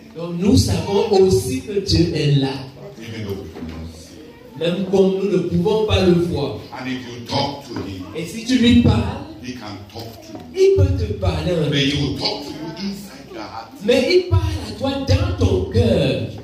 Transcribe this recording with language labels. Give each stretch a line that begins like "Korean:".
French: Donc nous savons aussi que Dieu est là.
English: Even though we cannot see.
French: Même comme nous ne pouvons pas le voir.
English: And if you talk to him.
French: Et si tu lui parles.
English: He can talk to you.
French: Il peut te parler.
English: But he will talk to you inside your heart.
French: Mais il parle à toi dans ton cœur.